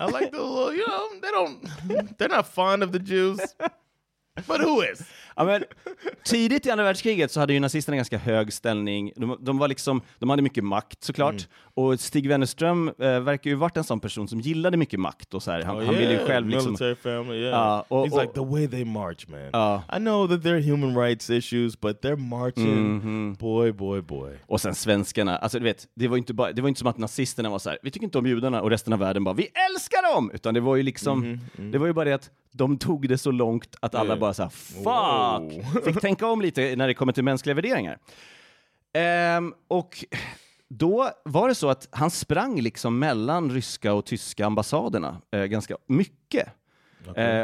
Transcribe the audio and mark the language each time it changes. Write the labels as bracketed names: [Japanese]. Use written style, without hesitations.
[English] I like the little, you know, they're not fond of the Jews. But who is? [Swedish] Ja, men, tidigt i andra världskriget så hade ju nazisterna en ganska hög ställning. De var liksom, de hade mycket makt såklart. Och Stig Wennerström verkar ju varit en sån person som gillade mycket makt och så här. Han ville ju själv liksom, [English] military family, yeah. He's like the way they march, man. I know that there are human rights issues, but they're marching. Boy. [Swedish] Och sen svenskarna, alltså du vet, det var inte som att nazisterna var så här, vi tycker inte om judarna, och resten av världen bara, vi älskar dem, utan det var ju liksom det var ju bara det att de tog det så långt att alla bara såhär, [English] fuck! Whoa. [Swedish] Fick tänka om lite när det kommer till mänskliga värderingar. Och då var det så att han sprang liksom mellan ryska och tyska ambassaderna ganska mycket. Okay.